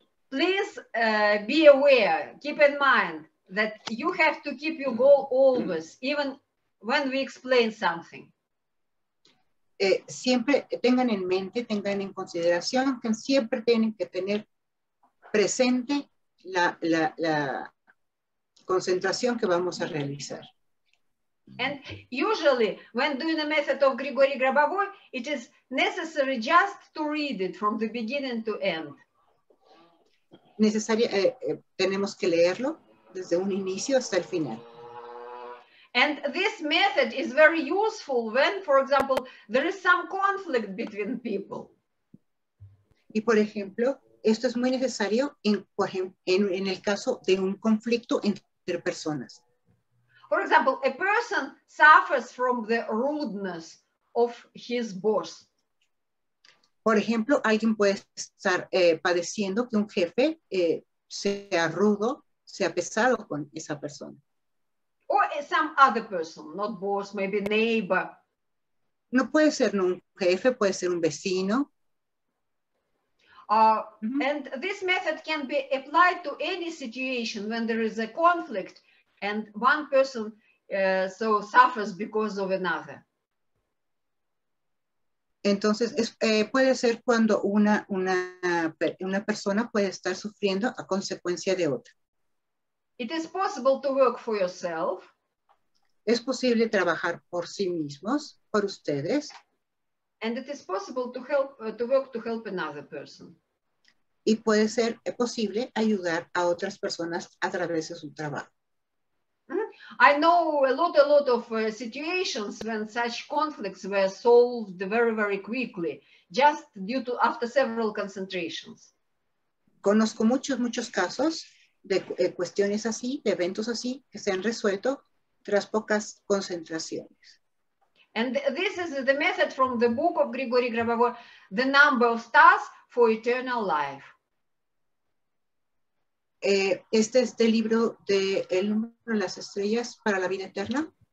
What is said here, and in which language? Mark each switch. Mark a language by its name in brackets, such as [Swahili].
[English] Please be aware, keep in mind that you have to keep your goal always, even when we explain something. [Spanish] Siempre tengan en mente, tengan en consideración que siempre tienen que tener presente la concentración que vamos a realizar. [English] And usually, when doing a method of Grigori Grabovoi, it is necessary just to read it from the beginning to end. [Spanish] Necesario, tenemos que leerlo desde un inicio hasta el final. [English] And this method is very useful when, for example, there is some conflict between people. [Spanish] Y por ejemplo, esto es muy necesario en el caso de un conflicto entre personas. [English] For example, a person suffers from the rudeness of his boss. [Spanish] Por ejemplo, alguien puede estar padeciendo que un jefe sea rudo, sea pesado con esa persona. [English] Or some other person, not boss, maybe neighbor. [Spanish] No puede ser un jefe, puede ser un vecino. [English] And this method can be applied to any situation when there is a conflict. And one person so suffers because of another. [Spanish] Entonces, puede ser cuando una persona puede estar sufriendo a consecuencia de otra. [English] It is possible to work for yourself. [Spanish] Es posible trabajar por sí mismos, por ustedes. [English] And it is possible to help to work to help another person. [Spanish] Y puede ser posible ayudar a otras personas a través de su trabajo. [English] I know a lot of situations when such conflicts were solved very, very quickly, just due to after several concentrations. [Spanish] Conozco muchos, muchos casos de cuestiones así, de eventos así, que se han resuelto tras pocas concentraciones. [English] And this is the method from the book of Grigori Grabovoi, The Number of Stars for Eternal Life. [Spanish] Este es del libro de El número de las estrellas para la vida eterna.